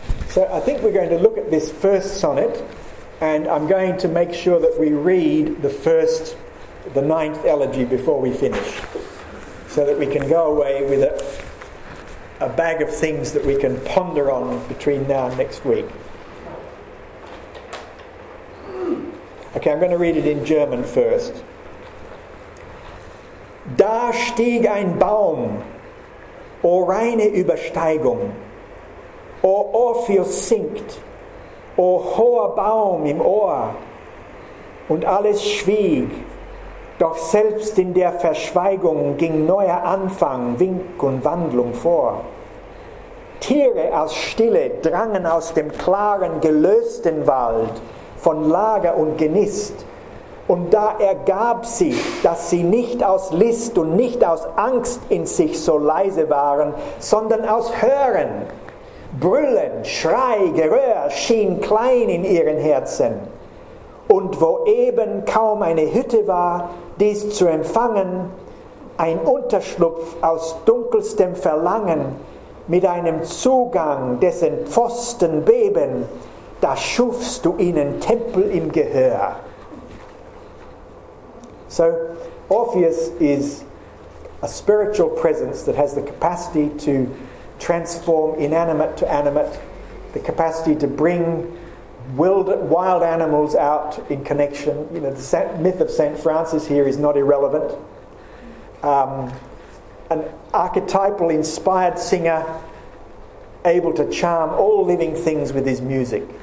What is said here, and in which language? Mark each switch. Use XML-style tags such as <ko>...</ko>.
<en>So I think we're going to look at this first sonnet, and I'm going to make sure that we read the ninth elegy before we finish, so that we can go away with a bag of things that we can ponder on between now and next week. Okay, I'm going to read it in German first.</en> <de>Da stieg ein Baum, o reine Übersteigung, o Orpheus singt, o hoher Baum im Ohr, und alles schwieg, doch selbst in der Verschweigung ging neuer Anfang, Wink und Wandlung vor. Tiere aus Stille drangen aus dem klaren, gelösten Wald von Lager und Genist, und da ergab sich, dass sie nicht aus List und nicht aus Angst in sich so leise waren, sondern aus Hören. Brüllen, Schrei, Geröhr schien klein in ihren Herzen. Und wo eben kaum eine Hütte war, dies zu empfangen, ein Unterschlupf aus dunkelstem Verlangen, mit einem Zugang, dessen Pfosten beben, da schufst du ihnen Tempel im Gehör.</de> <en>So, Orpheus is a spiritual presence that has the capacity to transform inanimate to animate, the capacity to bring wild animals out in connection. You know, the myth of St. Francis here is not irrelevant. An archetypal inspired singer, able to charm all living things with his music.</en>